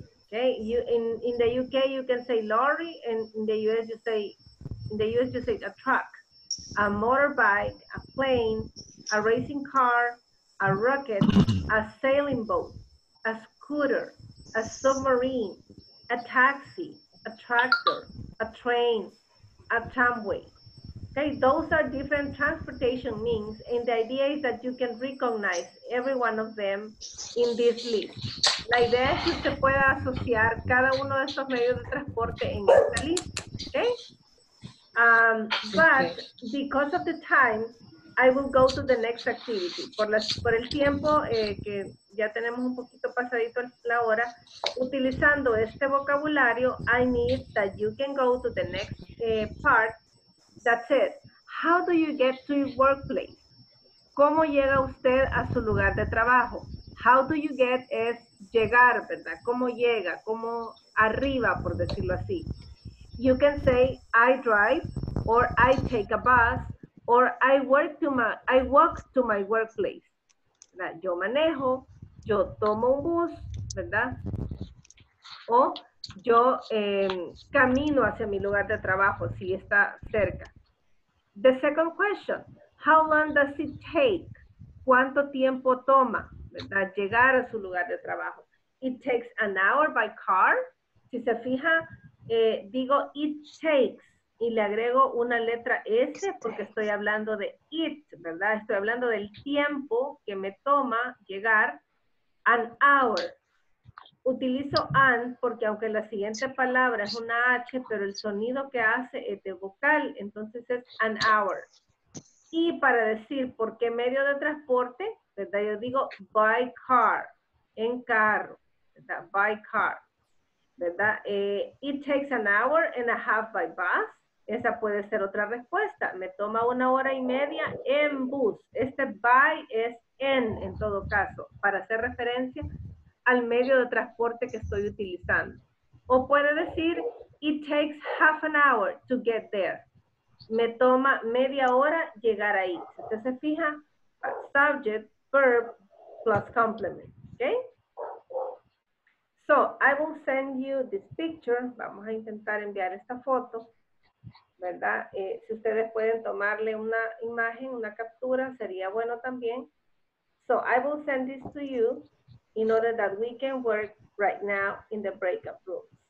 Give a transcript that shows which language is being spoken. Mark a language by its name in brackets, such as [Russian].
[English] Okay, you in the UK you can say lorry, and in the US you say a truck, a motorbike, a plane, a racing car, a rocket, a sailing boat, a scooter, a submarine, a taxi, a tractor, a train, a tramway. Okay, those are different transportation means, and the idea is that you can recognize every one of them in this list. [Spanish] La idea es que usted pueda asociar cada uno de esos medios de transporte en esta lista, okay? [English] But because of the time, I will go to the next activity. [Spanish] Por el tiempo que ya tenemos un poquito pasadito la hora, utilizando este vocabulario, [English] I need that you can go to the next part that says, how do you get to your workplace? [Spanish] ¿Cómo llega usted a su lugar de trabajo? [English] How do you get [Spanish] es llegar, ¿verdad? ¿Cómo llega? ¿Cómo arriba, por decirlo así? [English] You can say, I drive, or I take a bus, or I walk to my workplace. ¿Verdad? [Spanish] Yo manejo, yo tomo un bus, ¿verdad? O yo camino hacia mi lugar de trabajo, si está cerca. [English] The second question, how long does it take? [Spanish] ¿Cuánto tiempo toma, ¿verdad? Llegar a su lugar de trabajo? [English] It takes an hour by car. [Spanish] Si se fija, digo [English] it takes. [Spanish] Y le agrego una letra S porque estoy hablando de it, ¿verdad? Estoy hablando del tiempo que me toma llegar, an hour. Utilizo an porque aunque la siguiente palabra es una H, pero el sonido que hace es de vocal, entonces es an hour. Y para decir por qué medio de transporte, ¿verdad? Yo digo [English] by car, [Spanish] en carro, ¿verdad? [English] By car, ¿verdad? It takes an hour and a half by bus. [Spanish] Esa puede ser otra respuesta. Me toma una hora y media en bus. Este by es en todo caso, para hacer referencia al medio de transporte que estoy utilizando. O puede decir, [English] it takes half an hour to get there. [Spanish] Me toma media hora llegar ahí. Si usted se fija, [English] subject, verb, plus complement. [Spanish] Okay? [English] So, I will send you this picture. [Spanish] Vamos a intentar enviar esta foto. ¿Verdad? Si ustedes pueden tomarle una imagen, una captura, sería bueno también. [English] So, I will send this to you in order that we can work right now in the breakout rooms.